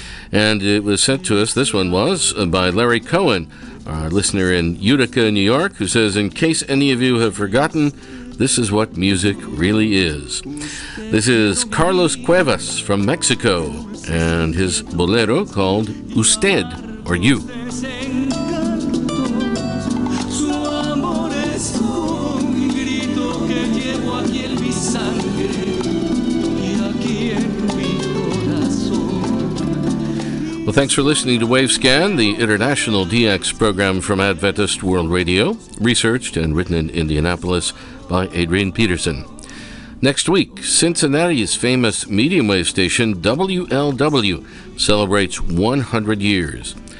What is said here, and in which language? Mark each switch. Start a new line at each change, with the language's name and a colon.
English: And it was sent to us, this one was, by Larry Cohen, our listener in Utica, New York, who says, in case any of you have forgotten, this is what music really is. This is Carlos Cuevas from Mexico and his bolero called Usted. Or you.
Spanish: Su amor es un grito que llevo aquí en mi sangre y aquí en mi corazón.
English: Well, thanks for listening to Wavescan, the international DX program from Adventist World Radio, researched and written in Indianapolis by Adrian Peterson. Next week, Cincinnati's famous medium wave station WLW celebrates 100 years.